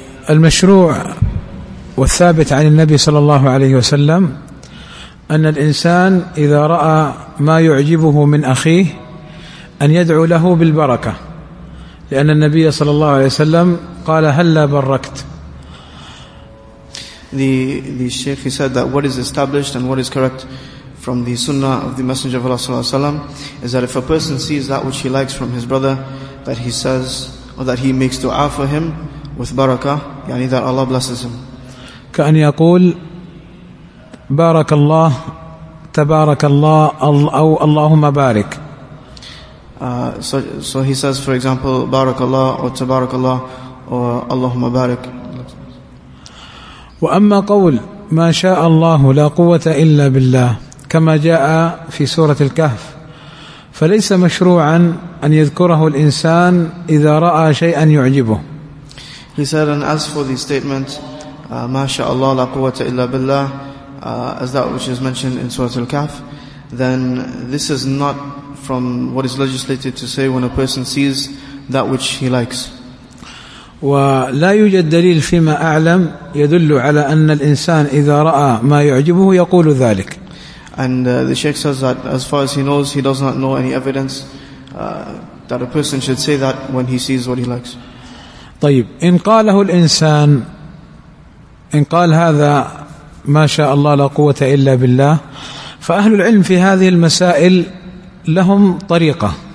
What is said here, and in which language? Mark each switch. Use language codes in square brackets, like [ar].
[ar] المشروع والثابت عن النبي صلى الله عليه وسلم أن الإنسان إذا رأى ما يعجبه من أخيه أن يدعو له بالبركة، لأن النبي صلى الله عليه وسلم قال هلا بركت. [en] The Sheikh, he said that what is established and what is correct from the Sunnah of the Messenger of Allah [ar] صلى الله عليه وسلم [en] is that if a person sees that which he likes from his brother, that he says or that he makes dua for him with barakah, يعني that Allah blesses him. [ar] كأن يقول بارك الله تبارك الله أو اللهم بارك. [en] So he says, for example, [ar] بارك الله أو تبارك الله أو اللهم بارك. وأما قول ما شاء الله لا قوة إلا بالله كما جاء في سورة الكهف فليس مشروعا أن يذكره الإنسان إذا رأى شيئا يعجبه. [en] He said, and as for the statement [ar] ما شاء الله لا قوة إلا بالله, [en] as that which is mentioned in Surah Al-Kahf, then this is not from what is legislated to say when a person sees that which he likes. [ar] ولا يوجد دليل فيما أعلم يدل على أن الإنسان إذا رأى ما يعجبه يقول ذلك. [en] And the Sheikh says that as far as he knows, he does not know any evidence that a person should say that when he sees what he likes. [ar] طيب, إن قاله الإنسان, إن قال هذا ما شاء الله لا قوة إلا بالله, فأهل العلم في هذه المسائل لهم طريقة.